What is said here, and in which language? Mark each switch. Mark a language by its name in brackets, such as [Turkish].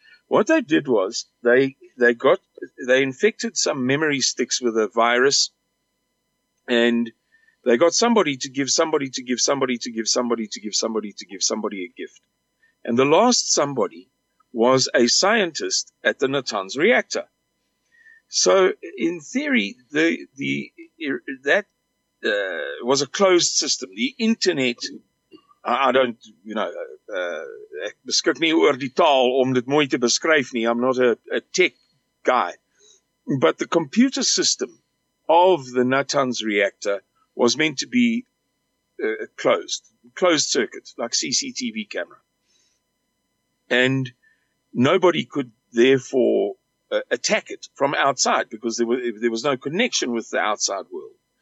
[English] What they did was they infected some memory sticks with a virus, and they got somebody to give somebody to give somebody to give somebody to give somebody to give somebody a gift. And the last somebody was a scientist at the Natanz reactor. So, in theory, that was a closed system. The internet I don't, you know, [Afrikaans] ek beskik nie oor die taal om dit mooi te beskryf nie. [English] I'm not a tech guy. But the computer system of the Natanz reactor was meant to be closed circuit, like CCTV camera. And nobody could therefore attack it from outside because there was no connection with the outside world.